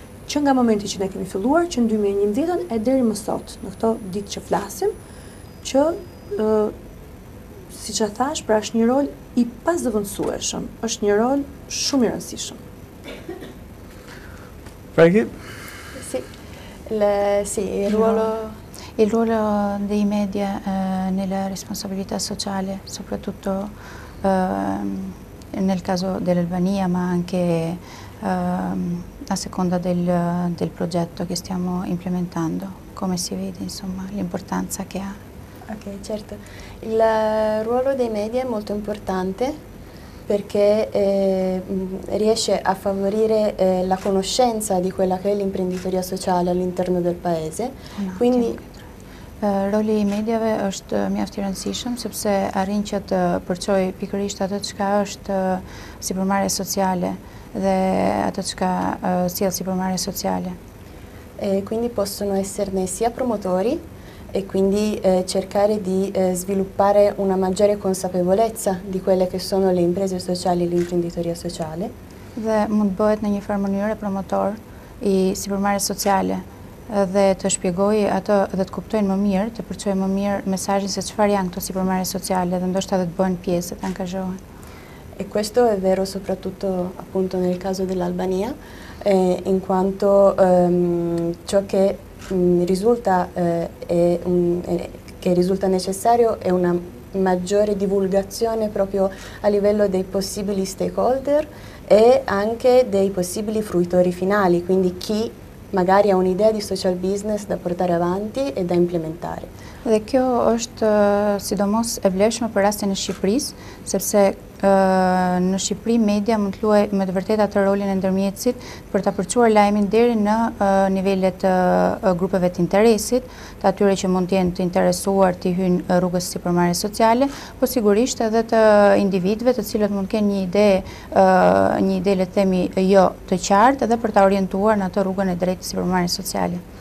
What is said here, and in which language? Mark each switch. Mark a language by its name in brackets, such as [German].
[Albanian] Që nga momenti që ne kemi filluar, që në 2011 e deri më sot, në këto ditë që flasim, që, si që thash, pra është një rol i pazëvëndësueshëm, është një rol shumë i rëndësishëm. Franki? [Italian] Si, il ruolo dei media nella responsabilità sociale, soprattutto nel caso dell'Albania, ma anche a seconda del progetto che stiamo implementando, come si vede, insomma, l'importanza che ha. Ok, certo. Il ruolo dei media è molto importante perché riesce a favorire la conoscenza di quella che è l'imprenditoria sociale all'interno del paese. Quindi [Albanian] roli i mediave është mjaft i rëndësishëm sepse arrin që të përçojë pikërisht atë çka është sipërmarrja sociale dhe atë çka sjell sipërmarrja sociale. [Italian] E quindi possono esserne sia promotori e quindi cercare di sviluppare una maggiore consapevolezza di quelle che sono le imprese sociali e l'imprenditoria sociale. [Albanian] Dhe mund bëhet në një farë mënyrë promotor i sipërmarrjes sociale dhe të shpjegoj ato dhe të kuptojnë më mirë, të përçojnë më mirë mesazhin se çfarë janë këto sipërmarrje sociale dhe ndoshta edhe të bëjnë pjesë, të angazhohen. [Italian] E questo è vero soprattutto appunto nel caso dell'Albania, in quanto ciò che risulta che risulta necessario è una maggiore divulgazione proprio a livello dei possibili stakeholder e anche dei possibili fruitori finali, quindi chi magari ha un'idea di social business da portare avanti e da implementare. [Albanian] Dhe kjo është sidomos e vlefshme për rastin e Shqipërisë, sepse në Shqipëri media mund të luajë me të vërtetë atë rolin e ndërmjetësit për ta përçuar lajmin deri në nivelet e grupeve të interesit, të atyre që mund të jenë të interesuar të hyjnë rrugës sipërmarrjes sociale, po sigurisht edhe të individëve të cilët mund të kenë një ide le të themi jo të qartë edhe për ta orientuar në atë rrugën e drejtë sipërmarrjes sociale.